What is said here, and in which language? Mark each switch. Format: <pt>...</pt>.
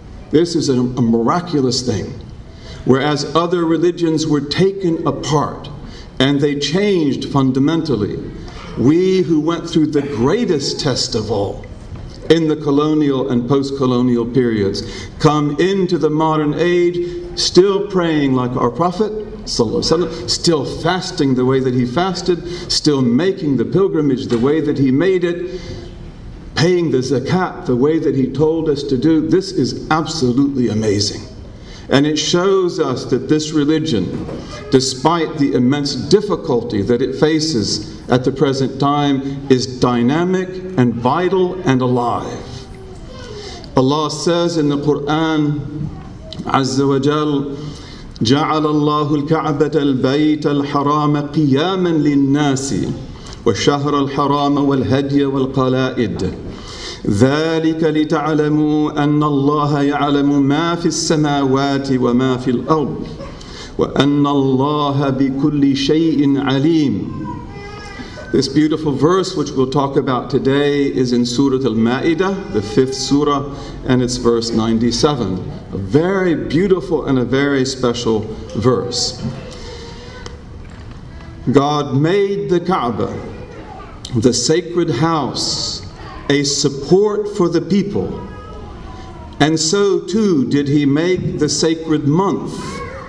<en>This is a miraculous thing. Whereas other religions were taken apart and they changed fundamentally, we who went through the greatest test of all in the colonial and post-colonial periods come into the modern age still praying like our Prophet, sallallahu alaihi wasallam, still fasting the way that he fasted, still making the pilgrimage the way that he made it, paying the zakat the way that he told us to do. This is absolutely amazing. And it shows us that this religion, despite the immense difficulty that it faces at the present time, is dynamic and vital and alive.</en> <ar>Allah says in the Quran, Azza wa Jal, جَعَلَ اللَّهُ الْكَعْبَةَ الْبَيْتَ الْحَرَامَ قِيَامًا لِلنَّاسِ وَالشَّهْرَ الْحَرَامَ وَالْهَدْيَ وَالْقَلَائِدِ ذَلِكَ لِتَعْلَمُوا أَنَّ اللَّهَ يَعْلَمُ مَا فِي السَّمَاوَاتِ وَمَا فِي الْأَرْضِ وَأَنَّ اللَّهَ بِكُلِّ شَيْءٍ عَلِيمٍ.</ar> <en>This beautiful verse which we'll talk about today is in Surah Al-Ma'idah, the fifth surah, and it's verse 97. A very beautiful and a very special verse. God made the Kaaba, the sacred house, a support for the people, and so too did he make the sacred month.</en>